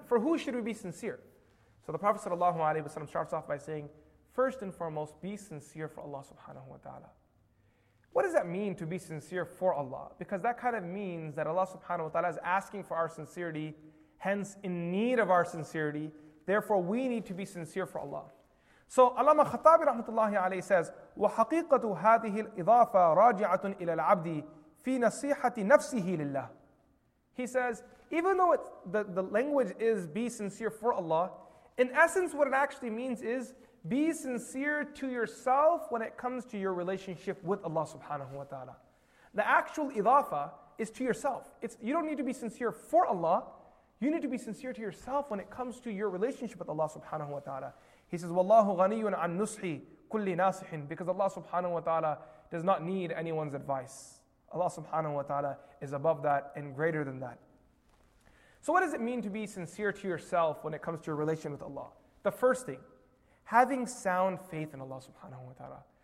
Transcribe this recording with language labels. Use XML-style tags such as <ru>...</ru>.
<en>For who should we be sincere? So the Prophet sallallahu alaihi wasallam starts off by saying, first and foremost, be sincere for Allah subhanahu wa ta'ala. What does that mean to be sincere for Allah? Because that kind of means that Allah subhanahu wa ta'ala is asking for our sincerity, hence in need of our sincerity, therefore we need to be sincere for Allah. So Allama Khattabi rahmatullahi alayhi says,</en> <ar>وَحَقِيقَةُ هَذِهِ الْإِضَافَةَ رَاجِعَةٌ إِلَى الْعَبْدِ فِي نَصِيحَةِ نَفْسِهِ لِلَّهِ.</ar> <en>He says, even though the language is be sincere for Allah, in essence what it actually means is be sincere to yourself when it comes to your relationship with Allah subhanahu wa ta'ala. The actual idafa is to yourself. You don't need to be sincere for Allah. You need to be sincere to yourself when it comes to your relationship with Allah subhanahu wa ta'ala. He says,</en> <ar>وَاللَّهُ غَنِيٌ عَنْ نُصْحِ كُلِّ نَاسِحٍ.</ar> <en>Because Allah subhanahu wa ta'ala does not need anyone's advice. Allah subhanahu wa ta'ala is above that and greater than that. So what does it mean to be sincere to yourself when it comes to your relation with Allah? The first thing, having sound faith in Allah subhanahu wa ta'ala.</en>